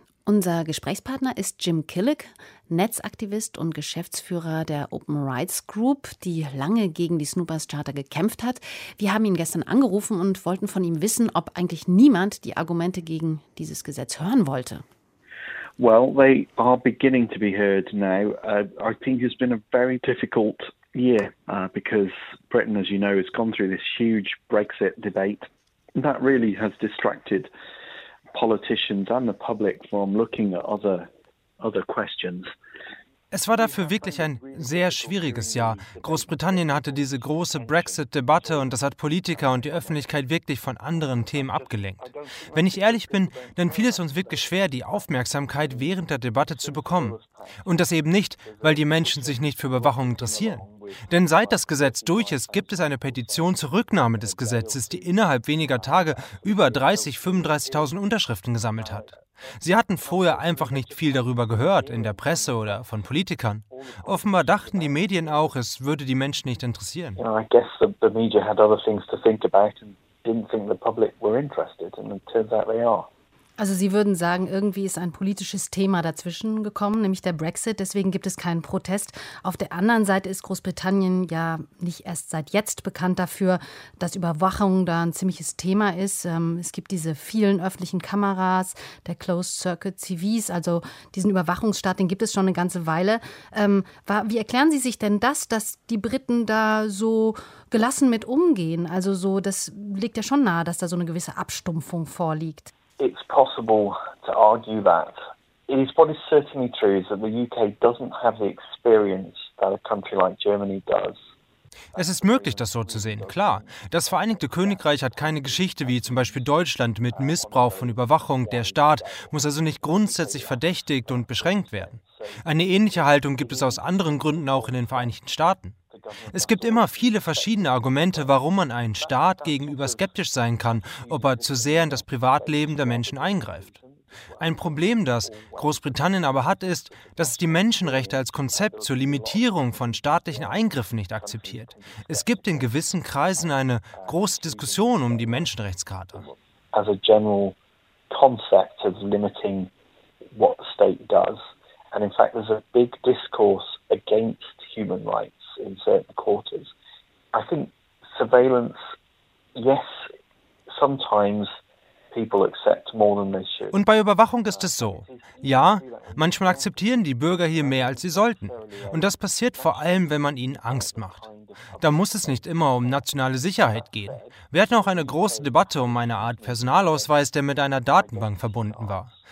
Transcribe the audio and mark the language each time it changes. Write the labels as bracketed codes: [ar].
[de] Unser Gesprächspartner ist Jim Killick, Netzaktivist und Geschäftsführer der Open Rights Group, die lange gegen die Snoopers Charter gekämpft hat. Wir haben ihn gestern angerufen und wollten von ihm wissen, ob eigentlich niemand die Argumente gegen dieses Gesetz hören wollte. [en] Well, they are beginning to be heard now. I think it's been a very difficult year because Britain, as you know, has gone through this huge Brexit debate. That really has distracted politicians and the public from looking at other questions. [de] Es war dafür wirklich ein sehr schwieriges Jahr. Großbritannien hatte diese große Brexit-Debatte und das hat Politiker und die Öffentlichkeit wirklich von anderen Themen abgelenkt. Wenn ich ehrlich bin, dann fiel es uns wirklich schwer, die Aufmerksamkeit während der Debatte zu bekommen. Und das eben nicht, weil die Menschen sich nicht für Überwachung interessieren. Denn seit das Gesetz durch ist, gibt es eine Petition zur Rücknahme des Gesetzes, die innerhalb weniger Tage über 30.000, 35.000 Unterschriften gesammelt hat. Sie hatten vorher einfach nicht viel darüber gehört, in der Presse oder von Politikern. Offenbar dachten die Medien auch, es würde die Menschen nicht interessieren. [en] I guess the media had other things to think about and didn't think the public were interested, and it turns out they are. [de] Also Sie würden sagen, irgendwie ist ein politisches Thema dazwischen gekommen, nämlich der Brexit. Deswegen gibt es keinen Protest. Auf der anderen Seite ist Großbritannien ja nicht erst seit jetzt bekannt dafür, dass Überwachung da ein ziemliches Thema ist. Es gibt diese vielen öffentlichen Kameras, der Closed Circuit TVs, also diesen Überwachungsstaat, den gibt es schon eine ganze Weile. Wie erklären Sie sich denn das, dass die Briten da so gelassen mit umgehen? Also so, das liegt ja schon nahe, dass da so eine gewisse Abstumpfung vorliegt. [en] It's possible to argue that. It is what is certainly true is that the UK doesn't have the experience that a country like Germany does. [de] Es ist möglich, das so zu sehen, klar. Das Vereinigte Königreich hat keine Geschichte wie zum Beispiel Deutschland mit Missbrauch von Überwachung. Der Staat muss also nicht grundsätzlich verdächtigt und beschränkt werden. Eine ähnliche Haltung gibt es aus anderen Gründen auch in den Vereinigten Staaten. Es gibt immer viele verschiedene Argumente, warum man einem Staat gegenüber skeptisch sein kann, ob er zu sehr in das Privatleben der Menschen eingreift. Ein Problem, das Großbritannien aber hat, ist, dass es die Menschenrechte als Konzept zur Limitierung von staatlichen Eingriffen nicht akzeptiert. Es gibt in gewissen Kreisen eine große Diskussion um die Menschenrechtscharta. [en] As a general concept of limiting what the state does. And in fact, there's a big discourse against human rights in certain quarters. I think surveillance, yes, sometimes people accept more than they should. [de] Und bei Überwachung ist es so. Ja, manchmal akzeptieren die Bürger hier mehr, als sie sollten. Und das passiert vor allem, wenn man ihnen Angst macht. Da muss es nicht immer um nationale Sicherheit gehen. Wir hatten auch eine große Debatte um eine Art Personalausweis, der mit einer Datenbank verbunden war.